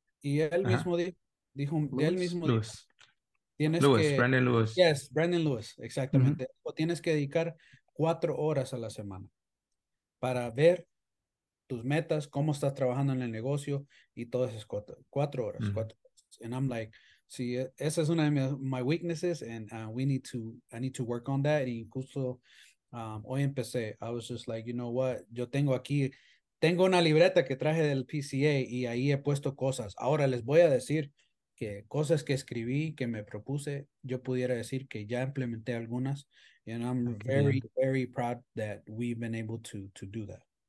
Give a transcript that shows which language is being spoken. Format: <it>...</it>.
<es>Y él mismo dijo, Lewis? Él mismo Lewis. Tienes Lewis, que, Brandon Lewis.</es> <en>Yes, Brandon Lewis, exactamente.</en> <es>O tienes que dedicar 4 horas a la semana para ver tus metas, cómo estás trabajando en el negocio y todas esas cuatro horas.</es> <en>And I'm like,</en> <es>sí, esa es una de</es> <en>my weaknesses and I need to work on that.</en> <es>Y incluso hoy empecé,</es> <en>I was just like, you know what,</en> <es>yo tengo aquí, tengo una libreta que traje del PCA y ahí he puesto cosas. Ahora les voy a decir que cosas que escribí, que me propuse, yo pudiera decir que ya implementé algunas.</es> <en>And I'm very, very proud that we've been able to do that.</en>